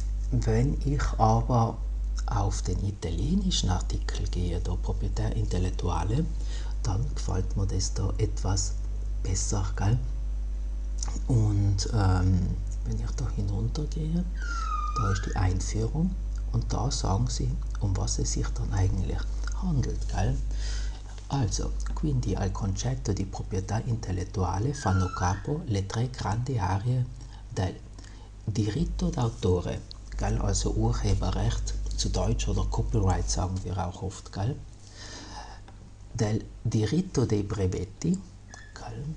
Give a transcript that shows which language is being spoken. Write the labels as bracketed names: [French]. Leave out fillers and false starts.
[German] Wenn ich aber auf den italienischen Artikel gehe, da Proprietà Intellettuale, dann gefällt mir das da etwas besser. Gell. Und wenn ich da hinuntergehe, da ist die Einführung. Und da sagen sie, um was es sich dann eigentlich handelt, gell? Also, [Italian] quindi al concetto di proprietà intellettuale fanno capo le tre grandi aree del diritto d'autore, gell? [German] Also Urheberrecht, zu Deutsch oder Copyright sagen wir auch oft, gell? [Italian] Del diritto dei brevetti, gell?